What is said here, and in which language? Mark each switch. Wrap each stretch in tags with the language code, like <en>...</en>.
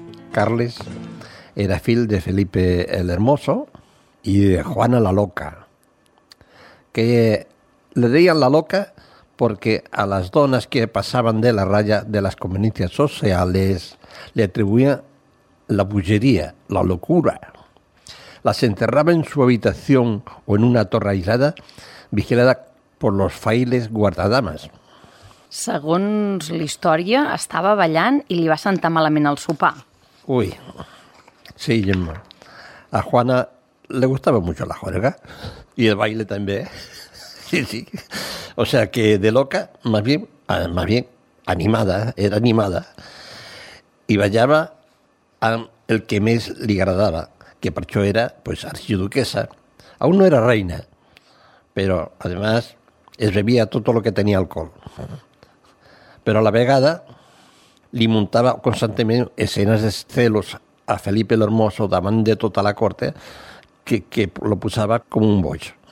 <ca>Carles era fill de Felipe el Hermoso i de Juana la Loca, que le deien la loca perquè a les dones que passaven de la ratlla de les conveniències socials li atribuïen la bogeria, la locura.</ca> <es>Las enterraba en su habitación o en una torre aislada vigilada por los frailes guardadamas.</es> <ca>Segons la història, estava ballant i li va sentar malament el sopar. Ui, sí, Gemma.</ca> <es>A Juana le gustaba mucho la juerga y el baile también. Sí, sí. O sea que de loca, más bien animada, era animada.</es> <ca>Y ballaba al que més li agradava, que per això era, pues, arxiduquesa.</ca> <es>Aún no era reina,</es> <ca>però, además, es bebia tot el que tenia alcohol. Però a la vegada li muntava constantment escenes de celos a Felipe el Hermoso davant de tota la corte, que lo posava com un boig.</ca>